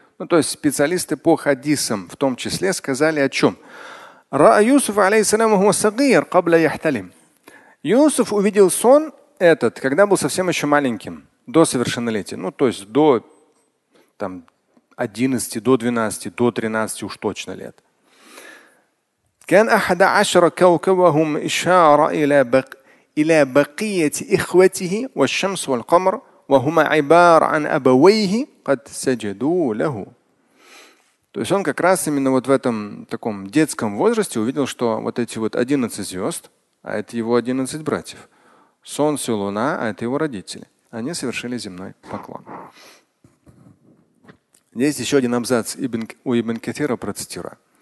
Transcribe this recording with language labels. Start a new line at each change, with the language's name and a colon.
Russian: Ну, то есть специалисты по хадисам в том числе сказали о чем.
Arabic: Ра'а Юсуф алейхиссалям хуа сагир кабля яхталим.
Russian: Юсуф увидел сон этот, когда был совсем еще маленьким, до совершеннолетия. Ну, то есть до там, 11, до 12, до 13 уж точно лет.
Arabic: كان أحد عشر كوكبهم إشارة إلى بقية إخوته والشمس والقمر وهما عبارة عن أبويه قد سجدوا له.
Russian: То есть он как раз именно вот в этом таком детском возрасте увидел, что вот эти вот 11 звезд, а это его 11 братьев, солнце, луна, а это его родители, они совершили земной поклон. Здесь еще один абзац у Ибн Катира процитирую.